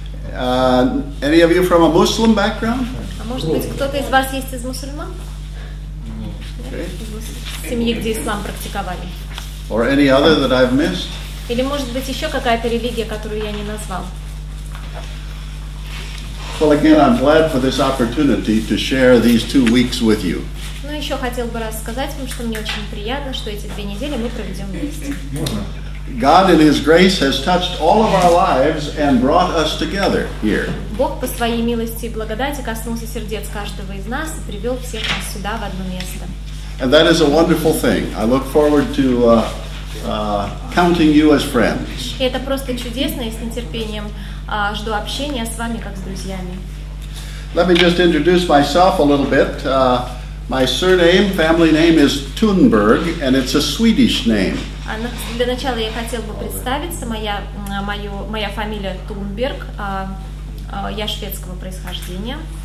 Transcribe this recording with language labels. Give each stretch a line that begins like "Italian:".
English: Any of you from a Muslim background?
Russian: А может быть, кто-то из вас есть из мусульман?
English: Okay.
Russian: Семьи, где ислам практиковали.
English: Or any other that I've missed?
Russian: Или может быть еще какая-то религия, которую я не назвал?
English: Well, again, I'm glad for this opportunity to share these 2 weeks with you.
Russian: Ну еще хотел бы раз сказать вам, что мне очень приятно, что эти 2 недели мы проведем вместе.
English: God in His grace has touched all of our lives and brought us together here.
Russian: Бог по своей милости и благодати коснулся сердец каждого из нас и привел всех нас сюда в одно место.
English: And that is a wonderful thing. I look forward to counting you as friends.
Russian: Это просто чудесно, и с нетерпением жду общения с вами как с друзьями.
English: Let me just introduce myself a little bit. My surname, family name is Thunberg, and it's a Swedish name.
Russian: Для начала я хотел бы представиться. Моя фамилия Тунберг. Я шведского происхождения.